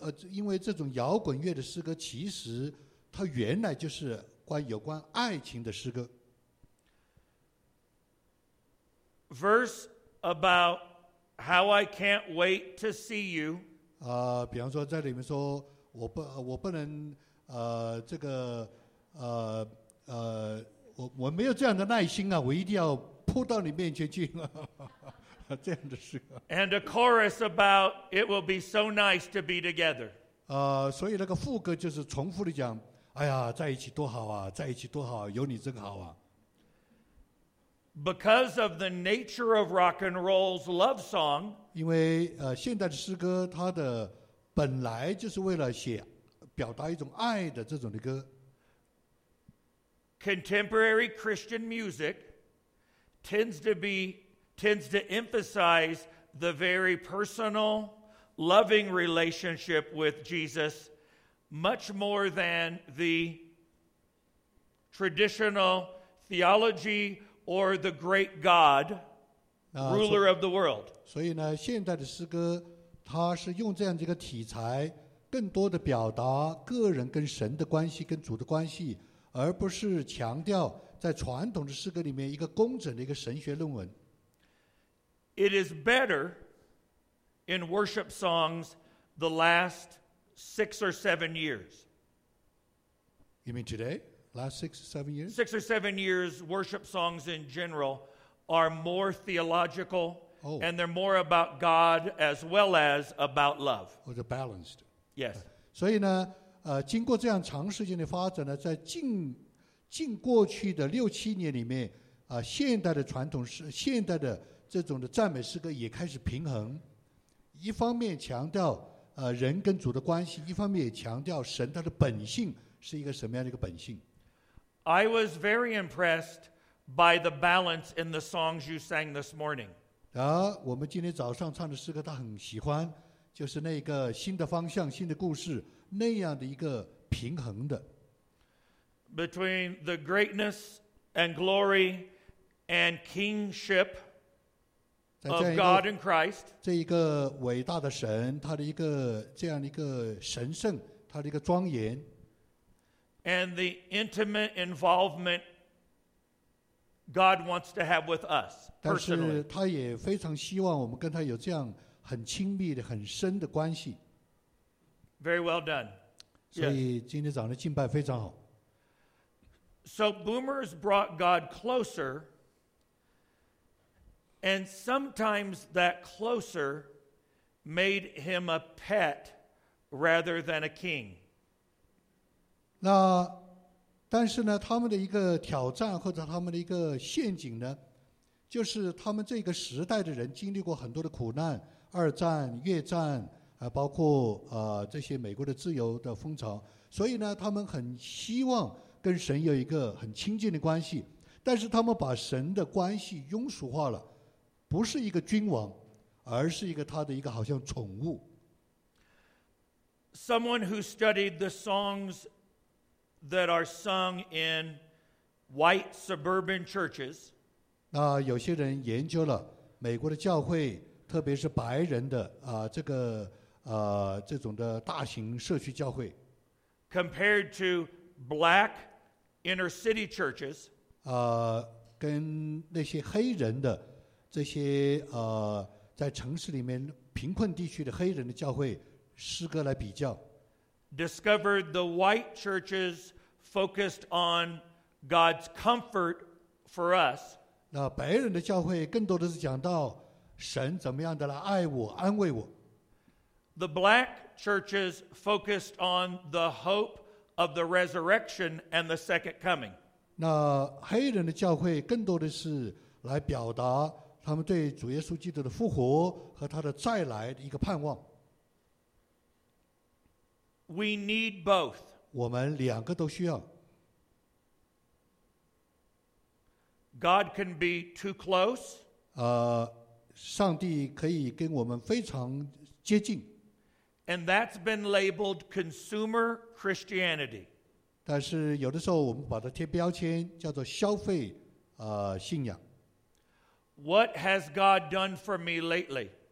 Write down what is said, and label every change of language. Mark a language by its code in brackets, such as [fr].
[zh] 因为这种摇滚乐的诗歌，其实它原来就是有关爱情的诗歌。 [en] Verse about how I can't wait to see you. [zh] 比方说在里面说我不能这个我没有这样的耐心啊，我一定要扑到你面前去。这样的诗歌。 [en] And a chorus about it will be so nice to be together. [zh] 所以那个副歌就是重复的讲，哎呀，在一起多好啊，在一起多好，有你真好啊。 [en] Because of the nature of rock and roll's love song, [zh] 因为现代的诗歌它的本来就是为了写表达一种爱的这种的歌。 [en] Contemporary Christian music tends to emphasize the very personal, loving relationship with Jesus much more than the traditional theology or the great God, ruler of the world. [zh] 所以呢，现代的诗歌，它是用这样的一个题材，更多的表达个人跟神的关系，跟主的关系，而不是强调在传统的诗歌里面一个工整的一个神学论文。 [en] It is better in worship songs the last 6 or 7 years. You mean today? Last 6 or 7 years? 6 or 7 years, worship songs in general are more theological, oh. And they're more about God as well as about love. Oh, they're balanced. Yes. [zh] 所以呢，经过这样长时间的发展呢，在近过去的六七年里面，现代的传统是现代的这种的赞美诗歌也开始平衡，一方面强调人跟主的关系，一方面也强调神他的本性是一个什么样的一个本性。 [en] I was very impressed by the balance in the songs you sang this morning. [zh] 我们今天早上唱的诗歌他很喜欢，就是那个新的方向、新的故事那样的一个平衡的。 [en] Between the greatness and glory and kingship. Of God and Christ, [zh] 这一个伟大的神，他的一个这样的一个神圣，他的一个庄严 [en] ，and the intimate involvement God wants to have with us personally. [zh] 但是他也非常希望我们跟他有这样很亲密的、很深的关系。 [en] Very well done. [zh] 所以今天早上的敬拜非常好。 [en] So boomers brought God closer, and sometimes that closer made him a pet rather than a king. [zh] 那但是呢，他们的一个挑战或者他们的一个陷阱呢，就是他们这个时代的人经历过很多的苦难，二战、越战，包括这些美国的自由的风潮，所以呢，他们很希望跟神有一个很亲近的关系，但是他们把神的关系庸俗化了，不是一个君王，而是一个他的一个好像宠物。 [en] Someone who studied the songs that are sung in white suburban churches. [zh] 那有些人研究了美国的教会，特别是白人的这个这种的大型社区教会。 [en] Compared to black inner city churches. [zh] 跟那些黑人的这些在城市里面贫困地区的黑人的教会诗歌来比较。 [en] Discovered the white churches focused on God's comfort for us. [zh] 那白人的教会更多的是讲到神怎么样的来爱我，安慰我。 [en] The black churches focused on the hope of the resurrection and the second coming. [zh] 那黑人的教会更多的是来表达他们对主耶稣基督的复活和他的再来的一个盼望。 [en] We need both. [zh] 我们两个都需要。 [en] God can be too close. [zh] 上帝可以跟我们非常接近。 [en] And that's been labeled consumer Christianity. [zh] 但是有的时候我们把它贴标签叫做消费信仰。 [en] What has God done for me lately?